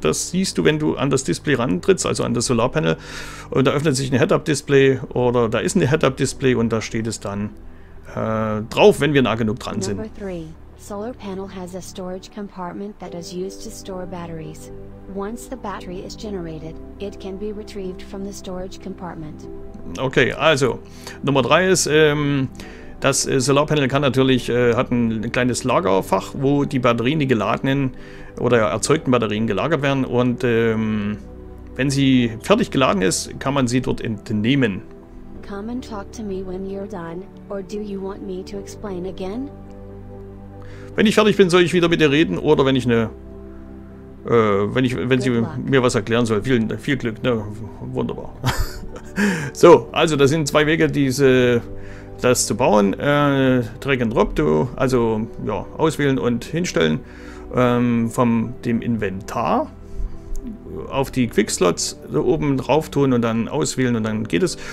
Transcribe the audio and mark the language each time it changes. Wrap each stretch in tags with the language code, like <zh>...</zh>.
<de>Das siehst du, wenn du an das Display rantrittst, also an das Solarpanel. Und da öffnet sich ein Head-Up-Display oder da ist ein Head-Up-Display und da steht es dann drauf, wenn wir nah genug dran sind.</de> <en>Number 3. Solar panel has a storage compartment that is used to store batteries. Once the battery is generated, it can be retrieved from the storage compartment.</en> <de>Okay, also Nummer 3 ist... Das Solarpanel kann natürlich hat ein kleines Lagerfach, wo die Batterien, die geladenen oder erzeugten Batterien gelagert werden. Und wenn sie fertig geladen ist, kann man sie dort entnehmen.</de> <en>Come and talk to me when you're done, or do you want me to explain again?</en> <de>Wenn ich fertig bin, soll ich wieder mit dir reden oder wenn ich eine wenn sie mir was erklären soll. Viel Glück, ne? Wunderbar. So, also das sind zwei Wege, diese das zu bauen, Drag and Drop, also ja, auswählen und hinstellen vom dem Inventar auf die Quick Slots so oben drauf tun und dann auswählen und dann geht es.</de>